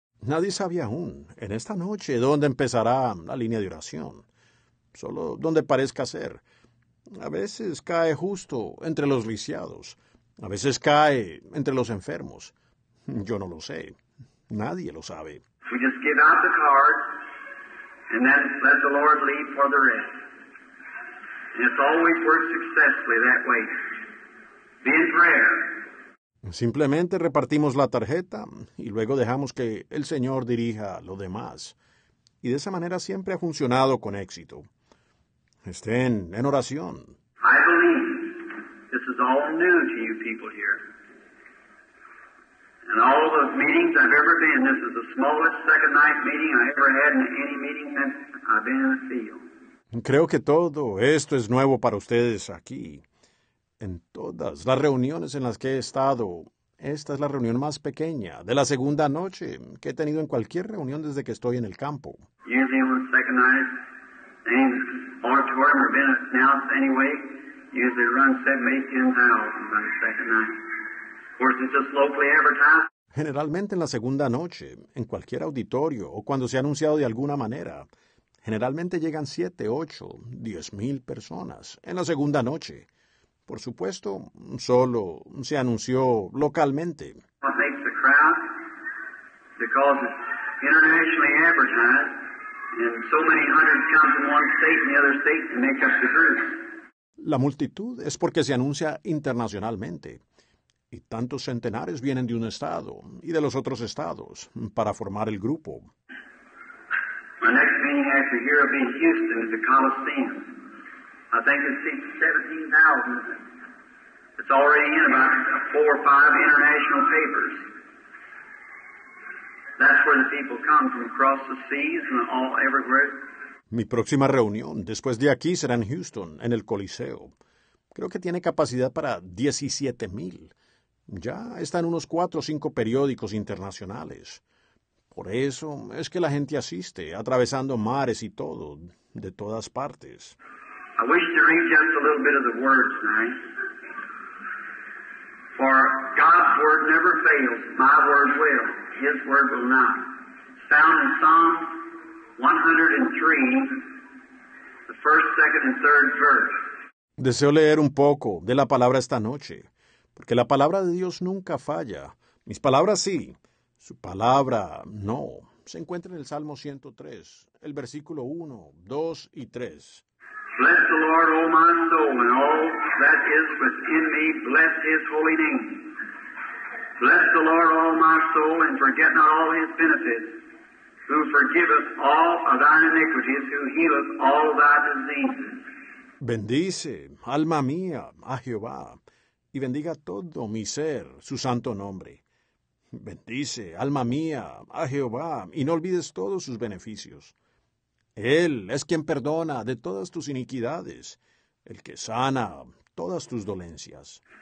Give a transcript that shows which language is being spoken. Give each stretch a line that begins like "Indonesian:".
Spanish: Nadie sabe aún en esta noche dónde empezará la línea de oración. Solo donde parezca ser. A veces cae justo entre los lisiados. A veces cae entre los enfermos. Yo no lo sé. Nadie lo sabe.
English: We just give out the card and then let the Lord lead for the rest. And it's always worked successfully that way. Be in prayer.
Spanish: Simplemente repartimos la tarjeta y luego dejamos que el Señor dirija lo demás. Y de esa manera siempre ha funcionado con éxito. Estén en oración.
English: I believe this is all new to you people here. In all the meetings I've ever been, this is the smallest second night meeting I ever had in any meeting since I've been in the field.
Spanish: Creo que todo esto es nuevo para ustedes aquí. En todas las reuniones en las que he estado, esta es la reunión más pequeña de la segunda noche que he tenido en cualquier reunión desde que estoy en el campo.
English: Usually on the second night, in the auditorium or been announced anyway, usually run 7,000 to 8,000 by the second night. Of course, it's just locally advertised.
Spanish: Generalmente en la segunda noche, en cualquier auditorio o cuando se ha anunciado de alguna manera, generalmente llegan 7, 8, 10,000 personas en la segunda noche. Por supuesto, solo se anunció localmente.
English: What makes the crowd? Because it's internationally advertised, and so many hundreds come from one state and the other state to make up the group.
Spanish: La multitud es porque se anuncia internacionalmente, y tantos centenares vienen de un estado y de los otros estados para formar el grupo.
English: My next meeting after here will be in Houston at the Coliseum. I think it's 17,000. It's already in about 4 or 5 international papers. That's where the people come from across the seas and all everywhere.
Spanish: Mi próxima reunión después de aquí será en Houston, en el Coliseo. Creo que tiene capacidad para 17,000. Ya está en unos 4 o 5 periódicos internacionales. Por eso es que la gente asiste, atravesando mares y todo, de todas partes.
English: I wish to read just a little bit of the word tonight. For God's word never fails, my word will, his word will not. It's found in Psalm 103, the first, second, and third verse.
Spanish: Deseo leer un poco de la palabra esta noche, porque la palabra de Dios nunca falla. Mis palabras sí, su palabra no. Se encuentra en el Salmo 103, el versículo 1, 2 y 3.
English: Bless the Lord, O my soul, and all that is within me, bless his holy name. Bless the Lord, O my soul, and forget not all his benefits, who forgiveth all of thine iniquities, who healeth all thy diseases.
Spanish: Bendice, alma mía, a Jehová, y bendiga todo mi ser, su santo nombre. Bendice, alma mía, a Jehová, y no olvides todos sus beneficios. Él es quien perdona de todas tus iniquidades, el que sana todas tus dolencias.